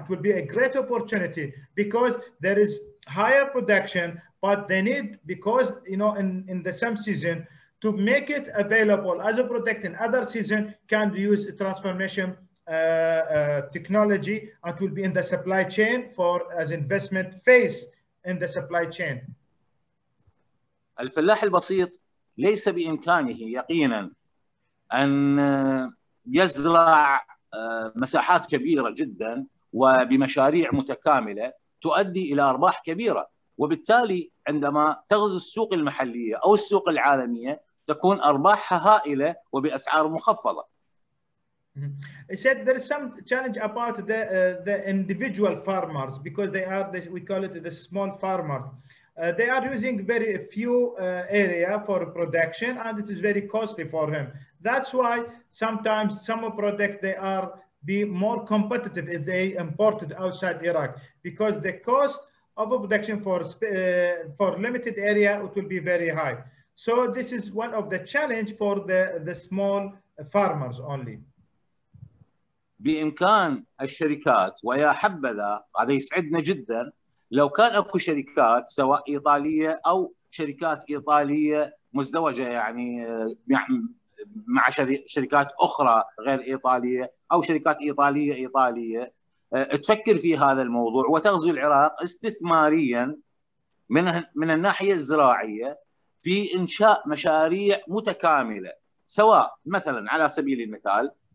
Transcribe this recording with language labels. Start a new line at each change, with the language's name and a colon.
English: It will be a great opportunity because there is higher production, but they need, because you know, in the same season, to make it available as a product in other season, can use a transformation technology, and will be in the supply chain for as investment phase in the supply chain.
Arabic: الفلاح البسيط ليس بإمكانه يقيناً أن يزرع مساحات كبيرة جداً وبمشاريع متكاملة تؤدي إلى أرباح كبيرة، وبالتالي عندما تغزو السوق المحلية أو السوق العالمية تكون أرباحها هائلة وبأسعار مخفضة.
English: He said there is some challenge about the individual farmers, because they are this, we call it the small farmers. They are using very few area for production, and it is very costly for them. That's why sometimes some product they are be more competitive if they imported outside Iraq, because the cost of a production for limited area, it will be very high. So this is one of the challenge for the small farmers only.
Arabic: بإمكان الشركات ويا حبذا هذا يسعدنا جدا لو كان أكو شركات سواء إيطالية أو شركات إيطالية مزدوجة يعني مع شركات أخرى غير إيطالية أو شركات إيطالية إيطالية تفكر في هذا الموضوع وتغزو العراق استثماريا من الناحية الزراعية في إنشاء مشاريع متكاملة سواء مثلا على سبيل المثال